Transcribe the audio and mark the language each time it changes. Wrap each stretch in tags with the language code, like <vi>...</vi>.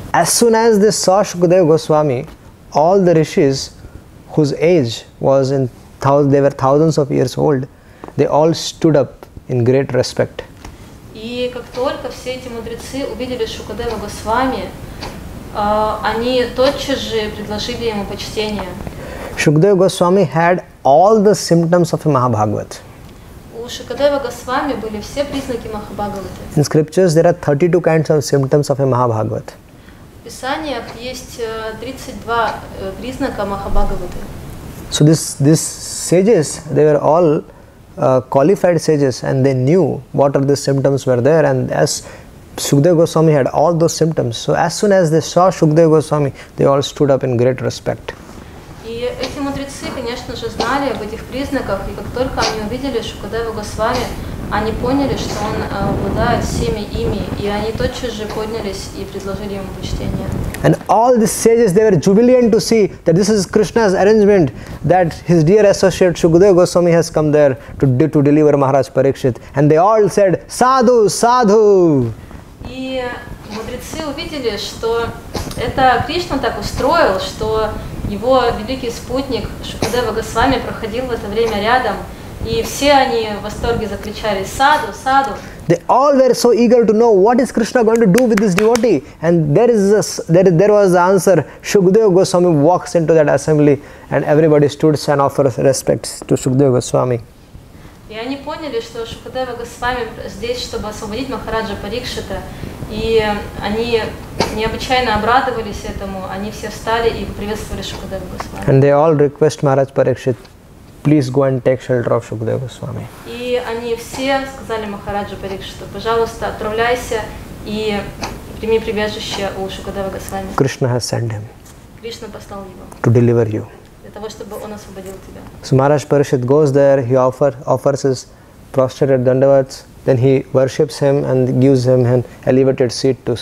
<en>As soon as they saw Shukadeva Goswami, all the rishis whose age was in they were thousands of years old, they all stood up in great respect.</en> <ru>И как только все эти мудрецы увидели Шукадева Госвами, они тотчас же предложили ему почтение.</ru> <en>Shukadeva Goswami had all the symptoms of a Mahabhagavat.</en> <ru>У Шукадева Госвами были все признаки Махабхагаваты.</ru> <en>In scriptures there are 32 kinds of symptoms of a Mahabhagavat.</en> <ru>В писаниях есть 32 признака Махабхагаваты.</ru> <en>So these sages, they were all qualified sages, and they knew what are the symptoms were there, and as Shukadeva Goswami had all those symptoms, so as soon as they saw Shukadeva Goswami, they all stood up in great respect.</en> <ru>И эти мудрецы, конечно же, знали об этих признаках, и как только они увидели Шукадеву Госвами, они поняли, что он обладает всеми ими, и они тотчас же поднялись и предложили ему почтение.</ru> <en>And all the sages, they were jubilant to see that this is Krishna's arrangement, that his dear associate Shukadeva Goswami has come there to deliver Maharaj Parikshit. And they all said, Sadhu, Sadhu!</en> <ru>И Мудрецы увидели, что это Кришна так устроил, что его великий спутник Шукадева Госвами проходил в это время рядом, и все они в восторге закричали: «Саду, саду!»</ru> <en>They all were so eager to know what is Krishna going to do with this devotee, and there was the answer. Shukadeva Goswami walks into that assembly, and everybody stood and offers respects to Shukadeva Goswami.</en> <ru>И они поняли, что Шукадева Госвами здесь, чтобы освободить Махараджа Парикшита, и они необычайно обрадовались этому. Они все встали и приветствовали Шукадева Госвами.</ru> <en>And they all request Maharaj Parikshit, please go and take shelter of Shukadeva Goswami.</en> <ru>И они все сказали Махараджу Парикшиту: пожалуйста, отправляйся и прими прибежище у Шукадева Госвами.</ru> <en>Krishna has sent him.</en> <ru>Кришна послал его.</ru> <en>To deliver you.</en> <ru>Того, чтобы он освободил тебя.</ru> <en>So Maharaj Parikshit goes there, he offers his prostrated dandavats, then he worships him and gives him an elevated seat.</en>